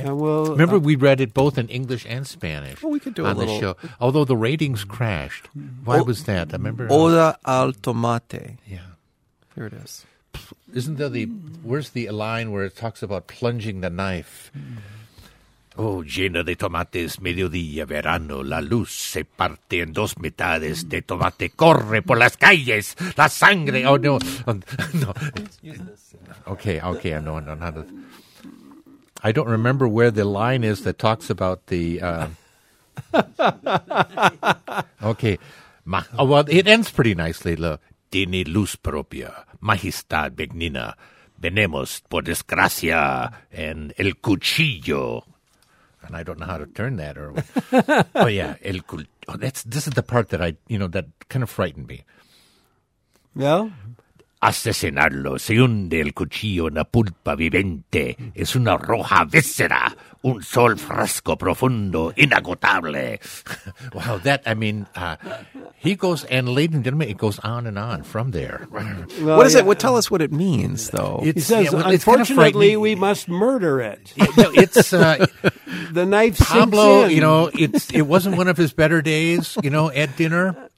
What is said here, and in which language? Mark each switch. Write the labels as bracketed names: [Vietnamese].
[English] And we'll, remember, we read it both in English and Spanish. Well, we could do on a little. The show. Although the ratings crashed. Why was that? I remember. [Spanish] Oda al Tomate. [English] Yeah. Here it is. Isn't there the, where's the line where it talks about plunging the knife? [Spanish] Oh, llena de tomates, mediodía, verano, la luz se parte en dos mitades de tomate, corre por las calles, la sangre. [English] Oh, no. No. Okay, no. I don't remember where the line is that talks about the, okay. It ends pretty nicely. [Spanish] Tiene luz propia, majestad benigna, venemos por desgracia en el cuchillo. [English] And I don't know how to turn that. Or oh yeah, [Spanish] el cuchillo. [English] Oh, this is the part that I, you know, that kind of frightened me. Yeah. [Spanish] Asesinarlo, se hunde el cuchillo en la pulpa viviente, es una roja víscera, un sol fresco profundo, inagotable. [English] Well, that, I mean, he goes, and ladies and gentlemen, it goes on and on from there. Well, what is it? Well, tell us what it means, though. It's, he says, yeah, well, unfortunately, kind of we must murder it. It's the knife Pablo, sinks in. You know, it wasn't one of his better days, you know, at dinner.